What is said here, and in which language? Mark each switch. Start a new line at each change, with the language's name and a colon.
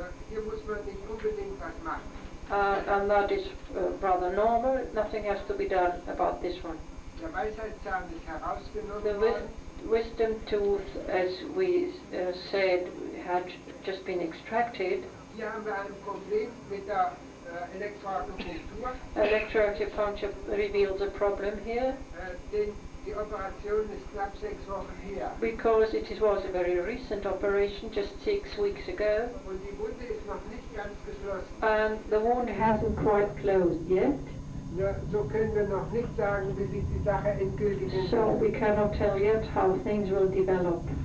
German: Hier muss man nicht unbedingt was machen.
English: And that is rather normal. Nothing has to be done about this one.
German: Der Weisheitszahn ist herausgenommen.
English: The wisdom tooth, as we said, had just been extracted.
German: Hier haben wir ein Problem mit der Elektroakupunktur.
English: Electroacupuncture reveals a problem here.
German: Die Operation ist knapp 6 Wochen her.
English: Because it was a very recent operation, just 6 weeks ago.
German: Und die Wunde ist noch nicht ganz geschlossen.
English: And the wound hasn't quite closed yet.
German: Ja, so können wir noch nicht sagen, wie sich die Sache endgültig entwickelt. So we cannot tell yet how things will develop.